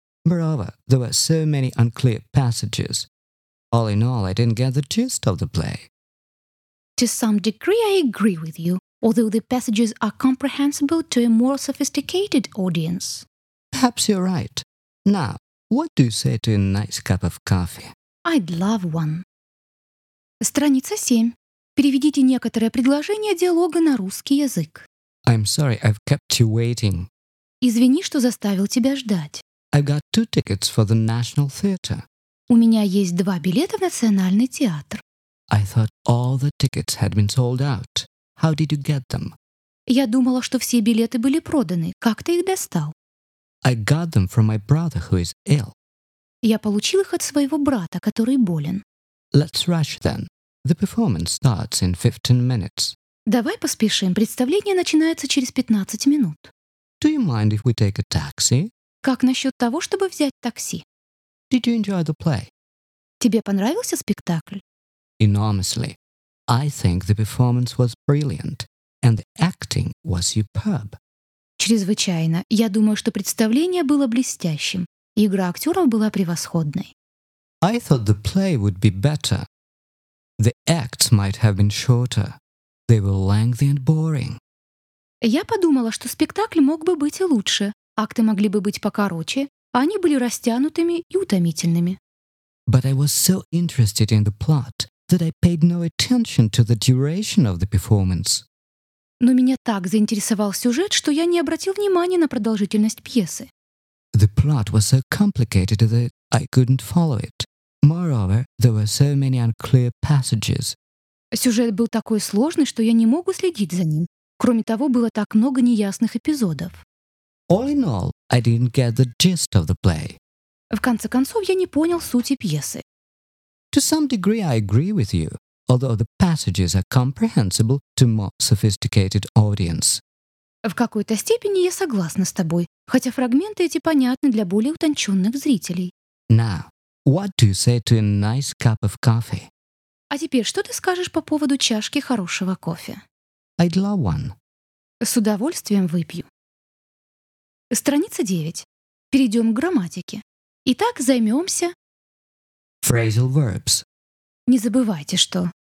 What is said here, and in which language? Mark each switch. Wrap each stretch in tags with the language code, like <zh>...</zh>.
<en>Moreover, there were so many unclear passages. All in all, I didn't get the gist of the play. To some degree, I agree with you, although the passages are comprehensible to a more sophisticated audience. Perhaps you're right. Now, what do you say to a nice cup of coffee? I'd love one.</en> <ru>Страница 7. Переведите некоторое предложение диалога на русский язык.</ru> <en>I'm sorry, I've kept you waiting.</en> <ru>Извини, что заставил тебя ждать.</ru> <en>I've got 2 tickets for the National Theatre.</en> <ru>У меня есть 2 билета в Национальный театр.</ru> <en>I thought all the tickets had been sold out. How did you get them?</en> <ru>Я думала, что все билеты были проданы. Как ты их достал?</ru> <en>I got them from my brother, who is ill.</en> <ru>Я получил их от своего брата, который болен.</ru> <en>Let's rush then. The performance starts in 15 minutes.</en> <ru>Давай поспешим, представление начинается через 15 минут.</ru> <en>Do you mind if we take a taxi?</en> <ru>Как насчет того, чтобы взять такси?</ru> <en>Did you enjoy the play?</en> <ru>Тебе понравился спектакль?</ru> <en>Enormously. I think the performance was brilliant, and the acting was superb.</en> <ru>Чрезвычайно. Я думаю, что представление было блестящим. Игра актеров была превосходной.</ru> <en>I thought the play would be better. The acts might have been shorter. They were lengthy and boring.</en> <ru>Я подумала, что спектакль мог бы быть и лучше. Акты могли бы быть покороче, а они были растянутыми и утомительными.</ru> <en>But I was so interested in the plot that I paid no attention to the duration of the performance.</en> <ru>Но меня так заинтересовал сюжет, что я не обратил внимания на продолжительность пьесы.</ru> <en>The plot was so complicated that I couldn't follow it. Moreover, there were so many unclear passages.</en> <ru>Сюжет был такой сложный, что я не мог следить за ним. Кроме того, было так много неясных эпизодов.</ru> <en>All in all, I didn't get the gist of the play.</en> <ru>В конце концов, я не понял сути пьесы.</ru> <en>To some degree, I agree with you, although the passages are comprehensible to more sophisticated audience.</en> <ru>В какой-то степени я согласна с тобой, хотя фрагменты эти понятны для более утонченных зрителей.</ru> <en>Now, what do you say to a nice cup of coffee?</en> <ru>А теперь, что ты скажешь по поводу чашки хорошего кофе?</ru> <en>I'd love one.</en> <ru>С удовольствием выпью. Страница 9. Перейдем к грамматике. Итак, займемся...</ru> <en>Phrasal verbs.</en> <ru>Не забывайте, что...</ru>